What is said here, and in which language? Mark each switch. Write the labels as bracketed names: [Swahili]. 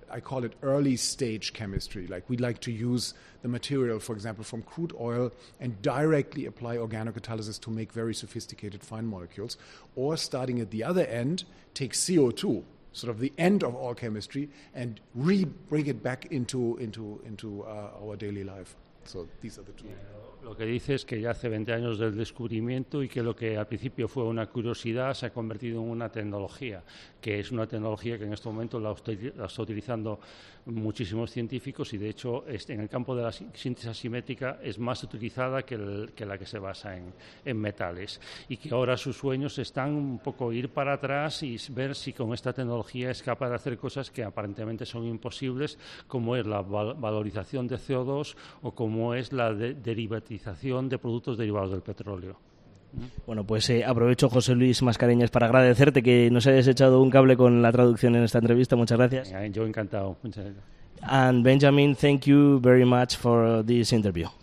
[English] I call it early stage chemistry. Like we'd like to use the material, for example, from crude oil and directly apply organocatalysis to make very sophisticated fine molecules. Or starting at the other end, take CO2, sort of the end of all chemistry, and re-bring it back into our daily life. So these are the two. [Spanish] Lo que dice es que ya hace 20 años del descubrimiento y que lo que al principio fue una curiosidad se ha convertido en una tecnología, que es una tecnología que en este momento la está utilizando muchísimos científicos y, de hecho, en el campo de la síntesis asimétrica es más utilizada que la que se basa en metales. Y que ahora sus sueños están un poco ir para atrás y ver si con esta tecnología es capaz de hacer cosas que aparentemente son imposibles, como es la valorización de CO2 o como es la derivatización de productos derivados del petróleo. Bueno, pues aprovecho, José Luis Mascareñas, para agradecerte que nos hayas echado un cable con la traducción en esta entrevista. Muchas gracias. Yo encantado. Muchas gracias. [English] And Benjamin, thank you very much for this interview.